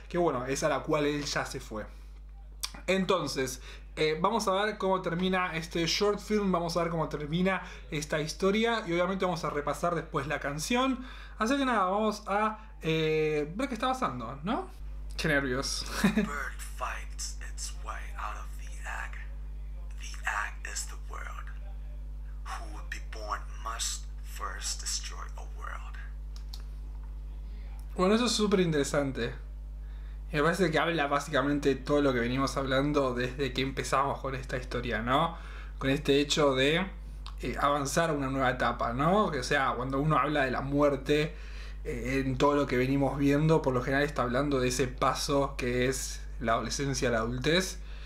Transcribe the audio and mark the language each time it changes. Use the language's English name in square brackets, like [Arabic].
[Spanish] Que bueno, es a la cual él ya se fue. Entonces, vamos a ver cómo termina este short film, vamos a ver cómo termina esta historia y obviamente vamos a repasar después la canción. Así que nada, vamos a ver qué está pasando, ¿no? Qué nervios. [English] Bird fights its way out of the egg. The egg is the world. Who would be born must first destroy a world. [Spanish] Bueno, eso es súper interesante. Me parece que habla básicamente todo lo que venimos hablando desde que empezamos con esta historia, ¿no? Con este hecho de avanzar a una nueva etapa, ¿no? O sea, cuando uno habla de la muerte en todo lo que venimos viendo, por lo general está hablando de ese paso que es la adolescencia, la adultez.